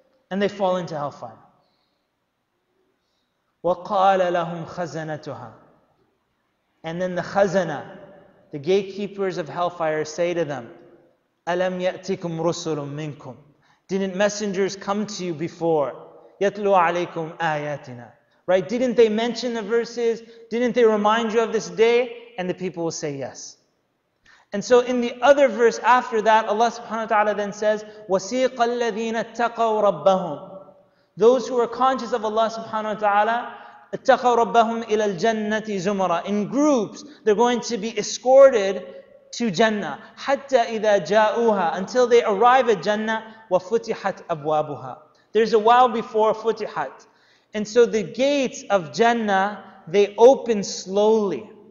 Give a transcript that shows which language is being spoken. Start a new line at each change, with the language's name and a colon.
English: And they fall into hellfire.
Arabic: وَقَالَ لَهُمْ خَزَنَتُهَا,
English: and then the khazana, the gatekeepers of hellfire, say to them,
Arabic: أَلَمْ يَأْتِكُمْ رُسُلٌ مِّنْكُمْ,
English: didn't messengers come to you before?
Arabic: يَتْلُوا عَلَيْكُمْ آيَاتِنَا, right?
English: Didn't they mention the verses? Didn't they remind you of this day? And the people will say yes. And so in the other verse after that, Allah subhanahu wa ta'ala then says,
Arabic: وَسِيقَ الَّذِينَ اتَّقَوْ رَبَّهُمْ,
English: those who are conscious of Allah subhanahu wa ta'ala,
Arabic: اتَّقَوْ رَبَّهُمْ إِلَى الْجَنَّةِ زُمَرًا,
English: in groups, they're going to be escorted to Jannah,
Arabic: حَتَّى إِذَا جَاءُوهَا,
English: until they arrive at Jannah,
Arabic: وَفُتِحَتْ أَبْوَابُهَا,
English: there's a while before فُتِحَتْ, and so the gates of Jannah, they open slowly.